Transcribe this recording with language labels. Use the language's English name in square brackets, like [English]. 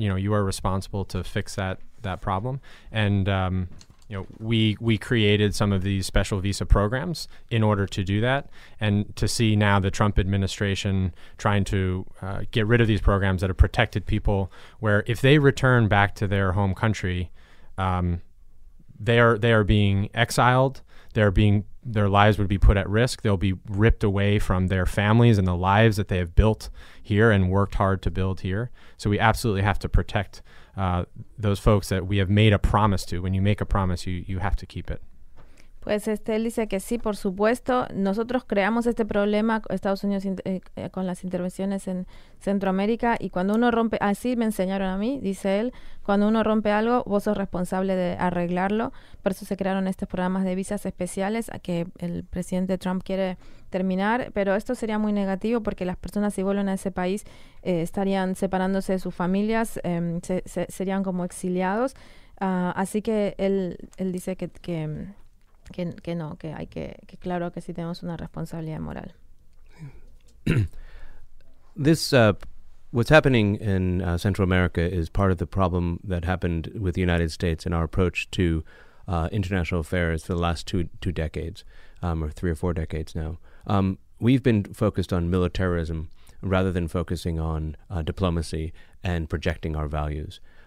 [English] You know, you are responsible to fix that problem. And you know, we created some of these special visa programs in order to do that, and to see now the Trump administration trying to get rid of these programs that have protected people, where if they return back to their home country, they are being exiled, their lives would be put at risk, they'll be ripped away from their families and the lives that they have built here and worked hard to build here. So we absolutely have to protect those folks that we have made a promise to. When you make a promise, you have to keep it. [Spanish] Pues él dice que sí, por supuesto. Nosotros creamos este problema, Estados Unidos, con las intervenciones en Centroamérica. Y cuando uno rompe, así me enseñaron a mí, dice él, cuando uno rompe algo, vos sos responsable de arreglarlo. Por eso se crearon estos programas de visas especiales que el presidente Trump quiere terminar. Pero esto sería muy negativo porque las personas, si vuelven a ese país, estarían separándose de sus familias, serían como exiliados. Así que él dice que no, que hay que claro que sí tenemos una responsabilidad moral. [English] This what's happening in Central America is part of the problem that happened with the United States in our approach to international affairs for the last two decades, or three or four decades now. We've been focused on militarism rather than focusing on diplomacy and projecting our values.